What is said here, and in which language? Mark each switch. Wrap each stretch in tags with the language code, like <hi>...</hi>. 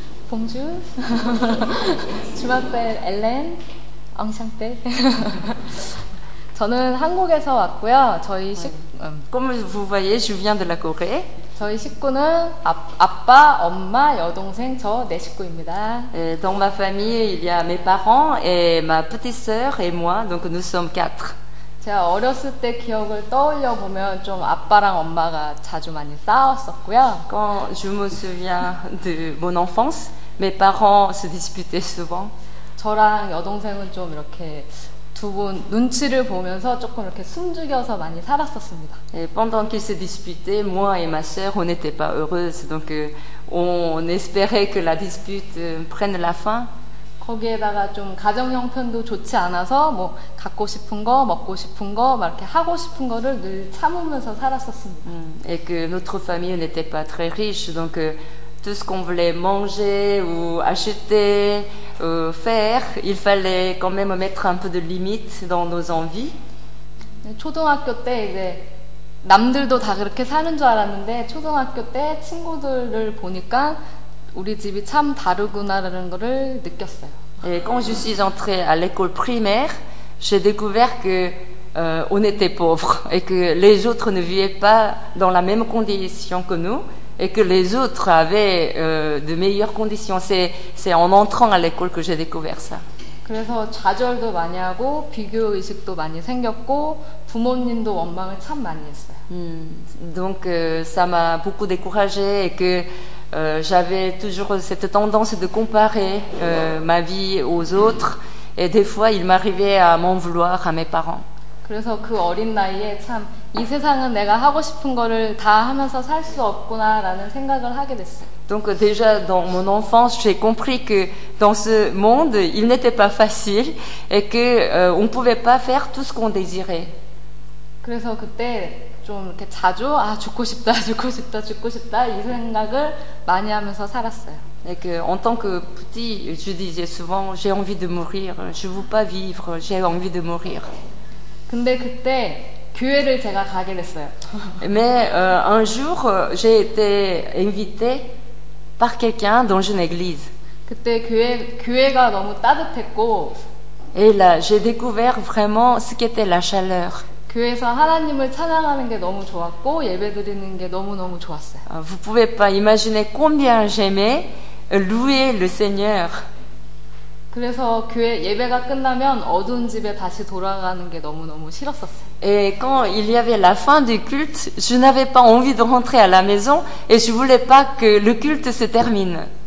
<fr>봉주, 주마펠, 엘렌, 엉샹떼.</fr> <ko>저는 한국에서 왔고요. 저희</ko> <fr>Comme vous voyez, je viens de la Corée.</fr> <ko>저희 식구는 아빠, 엄마, 여동생, 저 네 식구입니다.</ko> <fr>Dans ma famille, il y a mes parents et ma petite sœur et moi. Donc nous sommes quatre.</fr> <ko>제가 어렸을 때 기억을 떠올려 보면 좀 아빠랑 엄마가 자주 많이 싸웠었고요.</ko> <fr>Quand je me souviens de mon enfance, mes parents se disputaient souvent.</fr> <ko>저랑 여동생은 좀 이렇게 두 분 눈치를 보면서 조금 이렇게 숨죽여서 많이 살았었습니다.</ko> <fr>Et pendant qu'ils se disputaient, moi et ma sœur, on n'était pas heureuses. Donc on espérait que la dispute prenne la fin.</fr> <ko>거기에다가 좀 가정 형편도 좋지 않아서 뭐 갖고 싶은 거 먹고 싶은 거 막 이렇게 하고 싶은 거를 늘 참으면서 살았었습니다.</ko> <fr>Et que notre famille n'était pas très riche, donc tout ce qu'on voulait manger ou acheter, faire, il fallait quand même mettre un peu de limite dans nos envies.</fr> <ko>초등학교 때 이제 남들도 다 그렇게 사는 줄 알았는데 초등학교 때 친구들을 보니까 우리 집이 참 다르구나라는 것을 느꼈어요.</ko> <fr>Et quand je suis entrée à l'école primaire, j'ai découvert que on était pauvres et que les autres ne vivaient pas dans la même condition que nous et que les autres avaient de meilleures conditions. C'est en entrant à l'école que j'ai découvert ça.</fr> <ko>그래서 좌절도 많이 하고 비교 의식도 많이 생겼고 부모님도 원망을 참 많이 했어요.</ko> <fr>Donc ça m'a beaucoup découragée et que j'avais toujours cette tendance de comparer ma vie aux autres et des fois il m'arrivait à m'en vouloir à mes parents.</fr> <ko>그래서 그 어린 나이에 참 이 세상은 내가 하고 싶은 거를 다 하면서 살 수 없구나라는 생각을 하게 됐어요.</ko> <fr>Donc déjà dans mon enfance, j'ai compris que dans ce monde, il n'était pas facile et que on pouvait pas faire tout ce qu'on désirait.</fr> <ko>그래서 그때 좀 이렇게 자주 아 죽고 싶다 죽고 싶다 죽고 싶다 이 생각을 많이 하면서 살았어요.</ko> <fr>Et que, en tant que petit, je disais souvent, j'ai envie de mourir, je veux pas vivre, j'ai envie de mourir.</fr> <ko>근데 그때 교회를 제가 가게 됐어요.</ko> <fr>Mais un jour, j'ai été invitée par quelqu'un dans une église.</fr> <ko>그때 교회가 너무 따뜻했고.</ko> <fr>Et là, j'ai découvert vraiment ce qu'était la chaleur.</fr> <ko>교회에서 하나님을 찬양하는 게 너무 좋았고 예배 드리는 게 너무 너무 좋았어요.</ko> <fr>Vous pouvez pas imaginer combien j'aimais louer le Seigneur.</fr> <ko>그래서 교회 예배가 끝나면 어두운 집에 다시 돌아가는 게 너무 너무 싫었었어요.</ko> <fr>Et quand il y avait la fin du culte, je n'avais pas envie de rentrer à la maison et je voulais pas que le culte se termine.</fr>